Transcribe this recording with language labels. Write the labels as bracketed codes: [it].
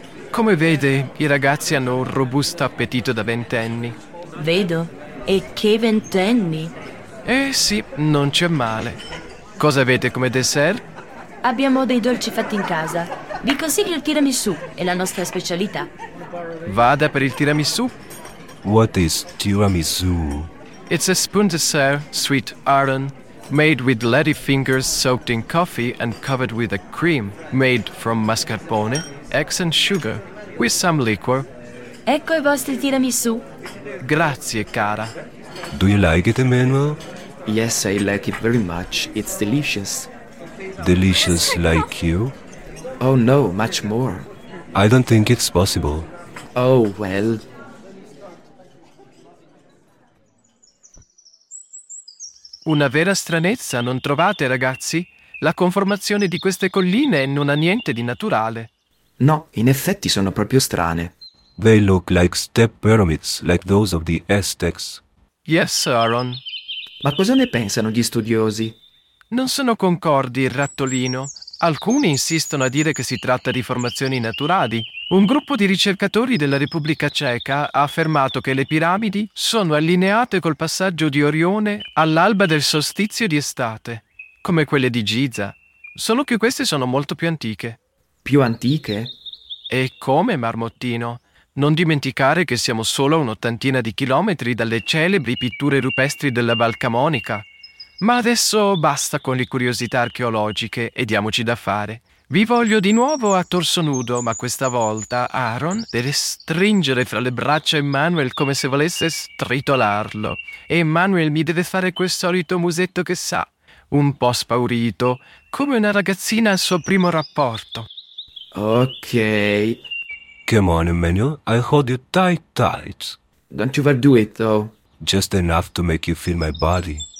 [it] Come vede, i ragazzi hanno un robusto appetito da ventenni. Vedo. E che ventenni! Eh sì, non c'è male. Cosa avete come dessert? Abbiamo dei dolci fatti in casa. Vi consiglio il tiramisù, è la nostra specialità. Vada per il tiramisù. [en] What is tiramisù? It's a spoon dessert, sweet Aaron, made with lady fingers soaked in coffee and covered with a cream made from mascarpone, eggs and sugar, with some liquor. [it] Ecco i vostri tiramisù. Grazie, cara. [en] Do you like it, Emmanuel? Yes, I like it very much. It's delicious. delicious like you? Oh no, much more. I don't think it's possible. Oh well. [it] Una vera stranezza, non trovate, ragazzi? La conformazione di queste colline non ha niente di naturale. No, in effetti sono proprio strane. [en] They look like step pyramids, like those of the Aztecs. Yes, Aaron. [it] Ma cosa ne pensano gli studiosi? Non sono concordi, il rattolino. Alcuni insistono a dire che si tratta di formazioni naturali. Un gruppo di ricercatori della Repubblica Ceca ha affermato che le piramidi sono allineate col passaggio di Orione all'alba del solstizio di estate, come quelle di Giza, solo che queste sono molto più antiche. Più antiche? E come, Marmottino? Non dimenticare che siamo solo a un'ottantina di chilometri dalle celebri pitture rupestri della Valcamonica. Ma adesso basta con le curiosità archeologiche e diamoci da fare. Vi voglio di nuovo a torso nudo, ma questa volta Aaron deve stringere fra le braccia Emmanuel come se volesse stritolarlo. E Emmanuel mi deve fare quel solito musetto che sa, un po' spaurito, come una ragazzina al suo primo rapporto. Ok. [en] Come on, Emmanuel, I hold you tight, tight. Don't you overdo it, though. Just enough to make you feel my body.